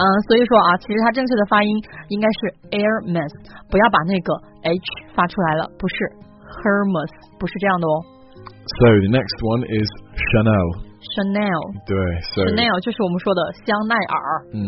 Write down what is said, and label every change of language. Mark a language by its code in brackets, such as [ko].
[zh] 所以说啊，其实它正确的发音应该是 Hermes， 不要把那个 H 发出来了，不是 Hermes， 不是这样的哦。 [en] So the next one is Chanel. Chanel. 对 ，So [zh] Chanel 就是我们说的香奈儿。